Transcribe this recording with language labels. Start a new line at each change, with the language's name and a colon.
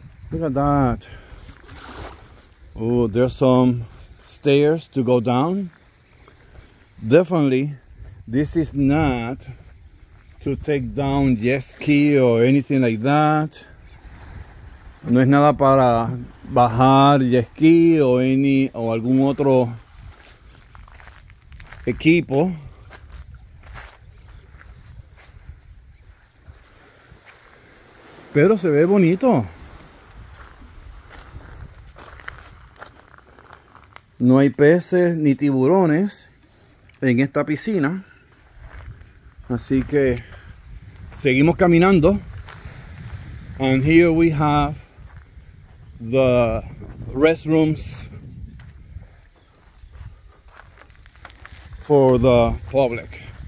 English: Look at that. Oh, there's some stairs to go down. Definitely, this is not to take down jet ski or anything like that.
Spanish: No es nada para bajar jet ski o algún otro equipo. Pero se ve bonito. No hay peces ni tiburones en esta piscina. Así que seguimos caminando.
English: And here we have the restrooms for the public.